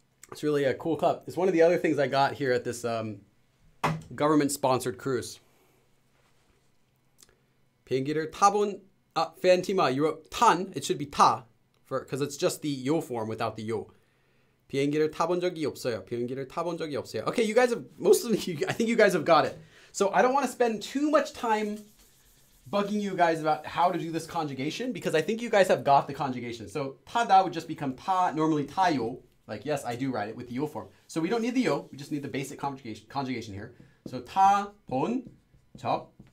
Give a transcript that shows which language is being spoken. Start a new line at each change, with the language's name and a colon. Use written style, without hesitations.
English: It's really a cool cup. It's one of the other things I got here at this government-sponsored cruise.
Korean: 비행기를 타본 팬티마.
English: You wrote
Korean: 탄.
English: It should be 타, because it's just the 요 form without the 요.
Korean: 비행기를 타본 적이 없어요. 비행기를 타본 적이 없어요.
English: Okay, you guys have, most of you, I think you guys have got it. So I don't want to spend too much time bugging you guys about how to do this conjugation, because I think you guys have got the conjugation. So 타다 would just become 타, normally 타요. Like, yes, I do write it with the 요 form. So we don't need the 요. We just need the basic conjugation here. So 타, 본, 적.